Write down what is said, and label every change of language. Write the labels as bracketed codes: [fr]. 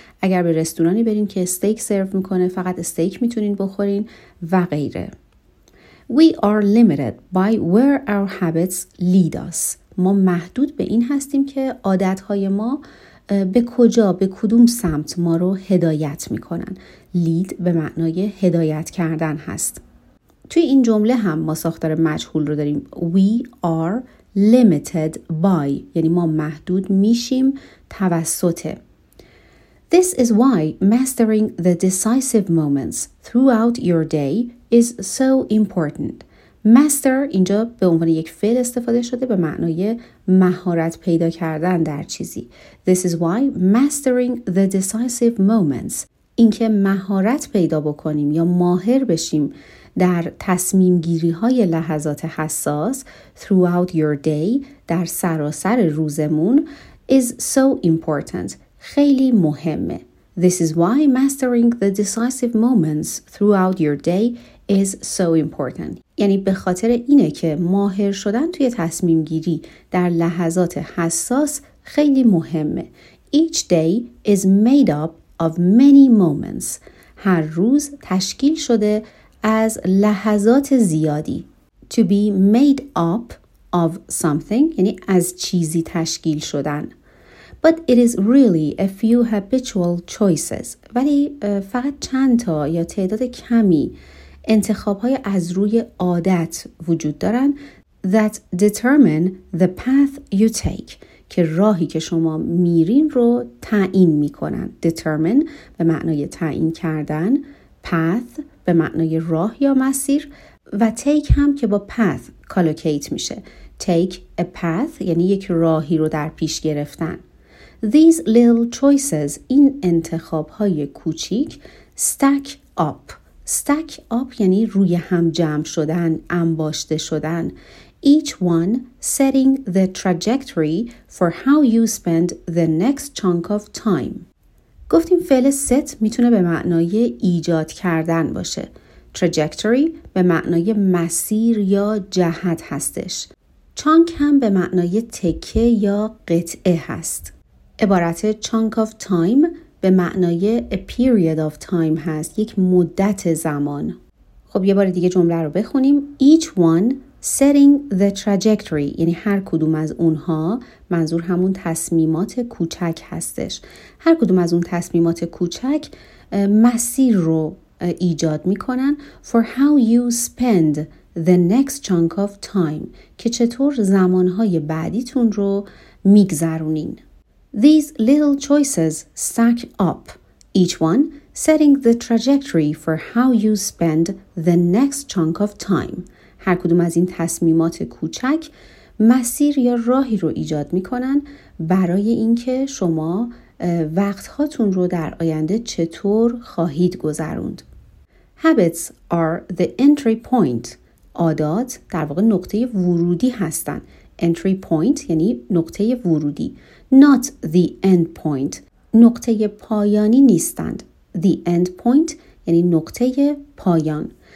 [fa] اگر به رستورانی برین که استیک سرو میکنه، فقط استیک میتونین بخورین و غیره. [en] We are limited by where our habits lead us. [fa] ما محدود به این هستیم که عادت های ما به کجا، به کدوم سمت ما رو هدایت می کنن. لید به معنای هدایت کردن هست. توی این جمله هم ما ساختار مجهول رو داریم. [en] We are limited by، [fa] یعنی ما محدود می شیم توسط. [en] This is why mastering the decisive moments throughout your day is so important. [fa] Master اینجا به عنوان یک فعل استفاده شده به معنای مهارت پیدا کردن در چیزی. [en] This is why mastering the decisive moments، [fa] اینکه مهارت پیدا بکنیم یا ماهر بشیم در تصمیم گیری های لحظات حساس [en] throughout your day، [fa] در سراسر روزمون، [en] is so important، [fa] خیلی مهمه. [en] This is why mastering the decisive moments throughout your day is so important. [fa] یعنی به خاطر اینه که ماهر شدن توی تصمیم گیری در لحظات حساس خیلی مهمه. [en] Each day is made up of many moments. [fa] هر روز تشکیل شده از لحظات زیادی. [en] To be made up of something [fa] یعنی از چیزی تشکیل شدن. [en] But it is really a few habitual choices. [fa] ولی فقط چند تا یا تعداد کمی انتخاب های از روی عادت وجود دارن [en] that determine the path you take، [fa] که راهی که شما میرین رو تعیین میکنن. Determine به معنای تعیین کردن، path به معنای راه یا مسیر، و take هم که با path collocate میشه. [en] Take a path [fa] یعنی یک راهی رو در پیش گرفتن. [en] These little choices, [fa] این انتخاب‌های کوچیک, [en] stack up. [fa] Stack up یعنی روی هم جمع شدن, انباشته شدن. [en] Each one setting the trajectory for how you spend the next chunk of time. [fa] گفتیم فعل set میتونه به معنای ایجاد کردن باشه. Trajectory به معنای مسیر یا جهت هستش. Chunk هم به معنای تکه یا قطعه هست. عبارت [en] chunk of time [fa] به معنای [en] a period of time [fa] هست, یک مدت زمان. خب یه بار دیگه جمله رو بخونیم. [en] Each one setting the trajectory, [fa] یعنی هر کدوم از اونها, منظور همون تصمیمات کوچک هستش. هر کدوم از اون تصمیمات کوچک مسیر رو ایجاد میکنن. [en] For how you spend the next chunk of time, [fa] که چطور زمانهای بعدیتون رو میگذرونین. [en] These little choices stack up, each one setting the trajectory for how you spend the next chunk of time. [fa] هر کدوم از این تصمیمات کوچک مسیر یا راهی رو ایجاد میکنن برای اینکه شما وقت هاتون رو در آینده چطور خواهید گذروند. [en] Habits are the entry point. [fa] عادات در واقع نقطه ورودی هستن. [en] Entry point [fa] یعنی نقطه ورودی. [en] Not the end point. [fa] نقطه پایانی نیستند. The end point یعنی نقطه پایان.